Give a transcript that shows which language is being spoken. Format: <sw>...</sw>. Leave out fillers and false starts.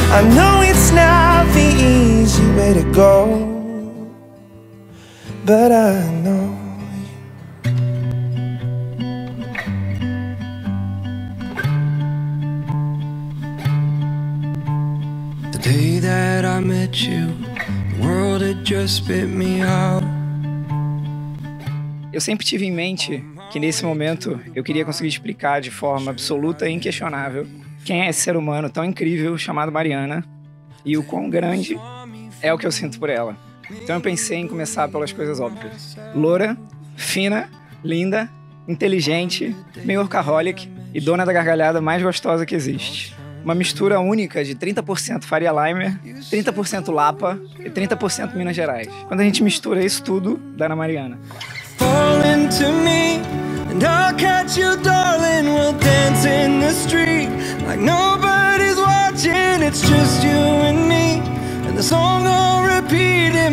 <en>I know it's not the easy way to go, but I know. I met you, the world had just bit me out.</en> <pt>Eu sempre tive em mente que nesse momento eu queria conseguir explicar de forma absoluta e inquestionável quem é esse ser humano tão incrível chamado Mariana e o quão grande é o que eu sinto por ela. Então eu pensei em começar pelas coisas óbvias. Loura, fina, linda, inteligente, meio workaholic e dona da gargalhada mais gostosa que existe. Uma mistura única de 30% Faria Limer, 30% Lapa e 30% Minas Gerais. Quando a gente mistura isso tudo, dá na Mariana.</pt> <en>Fall into me, and I'll catch you, darling. We'll dance in the street, like nobody's watching. It's just you and me, and the song will repeat.</en>